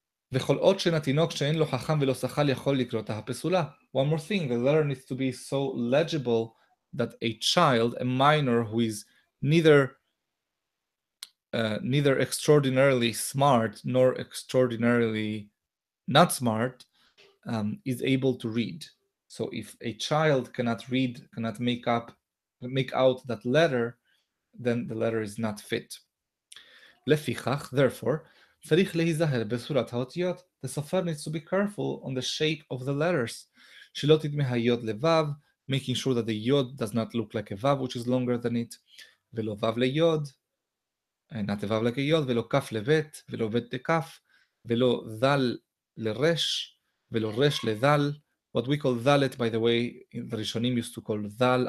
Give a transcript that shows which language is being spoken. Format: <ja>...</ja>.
<en>One more thing, the letter needs to be so legible that a child, a minor, who is neither extraordinarily smart nor extraordinarily not smart, is able to read. So if a child cannot read, cannot make out that letter, then the letter is not fit.</en> <he>Lefichach, therefore, צריך להיזהר בסורת האותיות.</he> <en>The sofer needs to be careful on the shape of the letters.</en> <he>שלא תדמה היוד לבב,</he> <en>making sure that the yod does not look like a vav, which is longer than it.</en> <he>ולא vav ליוד,</he> <en>not a vav like a yod,</en> <he>ולא kaf לבית, ולא בית לקף, ולא dal לרש, ולא רש לדל.</he> <en>What we call dalet, by the way, the Rishonim used to call dal.</en>